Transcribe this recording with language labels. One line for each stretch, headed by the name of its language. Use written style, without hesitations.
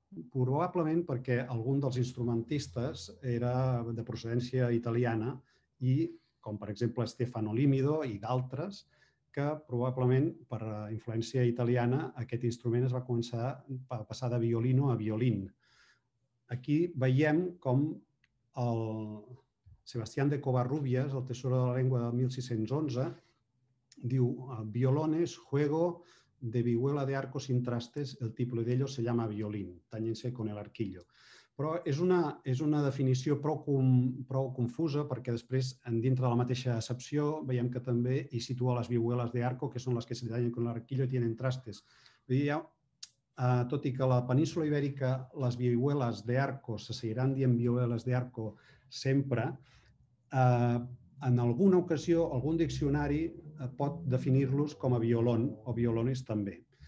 Catalan: Probablement perquè algun dels instrumentistes era de procedència italiana i, com per exemple Stefano Limido i d'altres, que probablement per influència italiana aquest instrument es va començar a passar de violino a violín. Aquí veiem com el Sebastián de Covarrubias, el tesoro de la llengua de 1611, diu
Spanish: violones, juego de vihuela de arco sin trastes, el tipo de ellos se llama violín, tanyense con el arquillo.
Catalan: Però és una definició prou confusa perquè després, dintre de la mateixa excepció, veiem que també hi situa les vihuelas de arco, que són les que
Spanish: se tanyen con el arquillo
Catalan: i
Spanish: tienen trastes.
Catalan: Tot i que a la península ibèrica les vihuelas de arco se seguiran dient vihuelas de arco sempre, en alguna ocasió, algun diccionari pot definir-los com a violón o violones també.